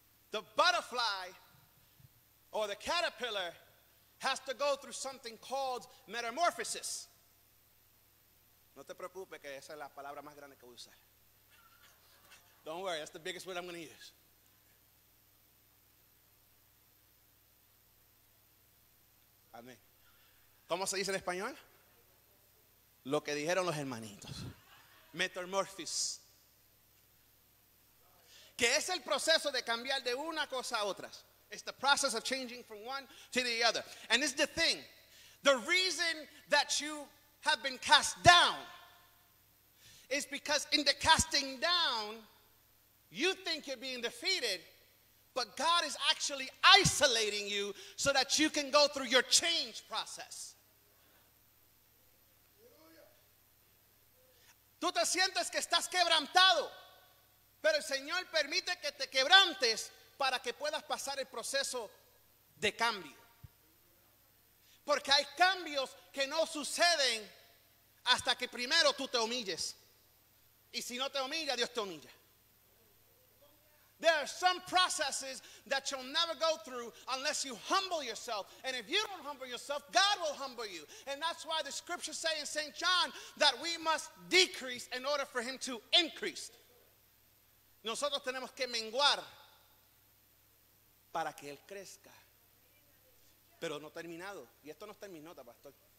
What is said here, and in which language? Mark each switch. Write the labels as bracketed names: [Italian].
[English] The butterfly or the caterpillar has to go through something called metamorphosis. [Spanish] No te preocupes que esa es la palabra más grande que voy a usar. [English] Don't worry, that's the biggest word I'm going to use. [Spanish] Amén. ¿Cómo se dice en español? Lo que dijeron los hermanitos. [English] Metamorphosis. [Spanish] Que es el proceso de cambiar de una cosa a otra. [English] It's the process of changing from one to the other. And this is the thing. The reason that you have been cast down is because in the casting down, you think you're being defeated, but God is actually isolating you so that you can go through your change process. [Spanish] Tú te sientes que estás quebrantado. Pero el Señor permite que te quebrantes para que puedas pasar el proceso de cambio. Porque hay cambios que no suceden hasta que primero tú te humilles. Y si no te humilla, Dios te humilla. [English] There are some processes that you'll never go through unless you humble yourself. And if you don't humble yourself, God will humble you. And that's why the scriptures say in St. John that we must decrease in order for him to increase. [Spanish] Nosotros tenemos que menguar para que Él crezca. Pero no terminado. Y esto no está en mis notas, pastor.